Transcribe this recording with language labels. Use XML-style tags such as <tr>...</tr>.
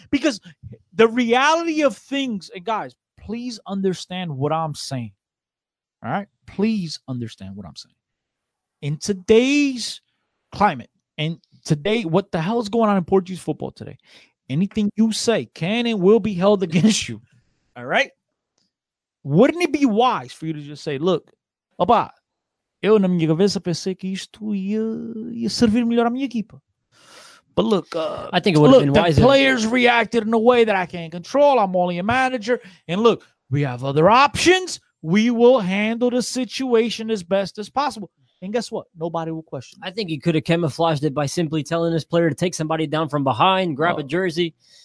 <en>Because the reality of things, and guys, please understand what I'm saying. All right? Please understand what I'm saying. In today's climate, and today, what the hell is going on in Portuguese football today? Anything you say can and will be held against you. All right? Wouldn't it be wise for you to just say, look,</en> <pt>opa, eu na minha cabeça pensei que isto ia servir melhor à minha equipa.</pt> <en>But look, I think it would have been wiser. The players reacted in a way that I can't control. I'm only a manager. And look, we have other options. We will handle the situation as best as possible. And guess what? Nobody will question. I think he could have camouflaged it by simply telling his player to take somebody down from behind, grab a jersey,</en>